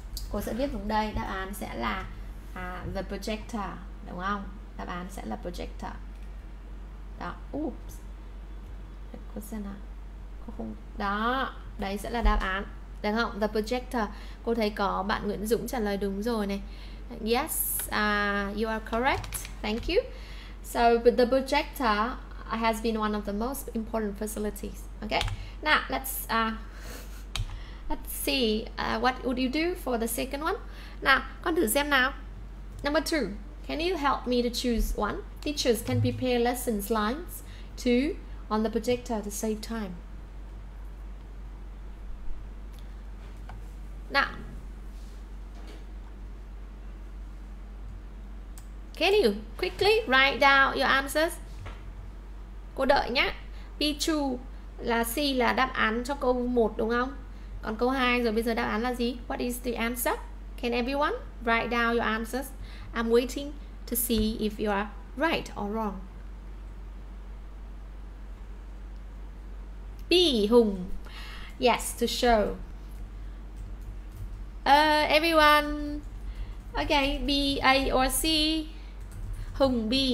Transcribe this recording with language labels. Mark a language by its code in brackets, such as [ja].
[vi] Cô sẽ viết xuống đây, đáp án sẽ là the projector, đúng không? Đáp án sẽ là projector. Đó, oops. Cô xem nào. Cô không. Đó, đấy sẽ là đáp án, đúng không? The projector. Cô thấy có bạn Nguyễn Dũng trả lời đúng rồi này. [en] Yes, you are correct. Thank you. So the projector has been one of the most important facilities. Okay? Now, let's see what would you do for the second one. Now, [vi] con thử xem nào. [en] Number two, can you help me to choose one? Teachers can prepare lessons lines two on the projector to save time. Now, Can you quickly write down your answers? [vi] Cô đợi nhé. Be true là C là đáp án cho câu 1 đúng không? Còn câu 2 rồi bây giờ đáp án là gì? [en] What is the answer? Can everyone write down your answers? I'm waiting to see if you are right or wrong. B, Hùng. Yes, to show. Everyone. Okay, B, A or C? Hùng B.